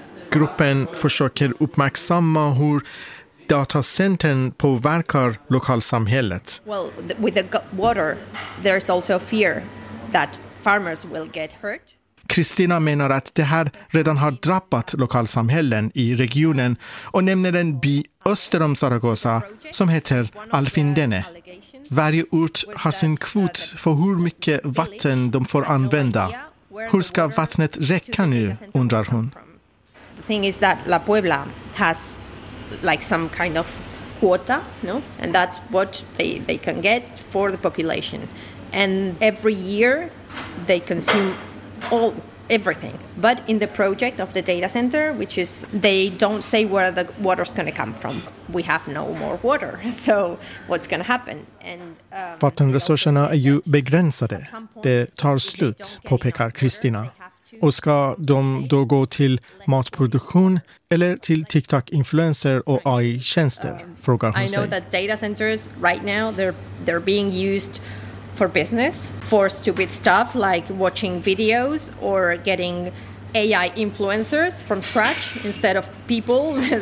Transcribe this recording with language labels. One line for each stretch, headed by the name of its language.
Swedish: Gruppen försöker uppmärksamma hur datacentern påverkar lokalsamhället.
English: Well, with the water there's also fear that farmers will get hurt.
Swedish: Kristina menar att det här redan har drabbat lokalsamhällen i regionen och nämner en by öster om Zaragoza som heter Alfindene. Varje ort har sin kvot för hur mycket vatten de får använda. Hur ska vattnet räcka nu, undrar hon.
English: The thing is that La Puebla has like some kind of quota, no? And that's what they can get for the population. And every year they consume all everything, but in the project of the data center, which is they don't say where the water's going to come from. We have no more water, so what's going to happen? And
Swedish: vattenresurserna är ju begränsade. Det tar slut, påpekar Kristina. Och ska de då gå till matproduktion eller till TikTok-influencer och AI-tjänster? Frågar hon sig.
English: I know that data centers right now they're being used for business, for stupid stuff like watching videos or getting AI influencers from scratch instead of people.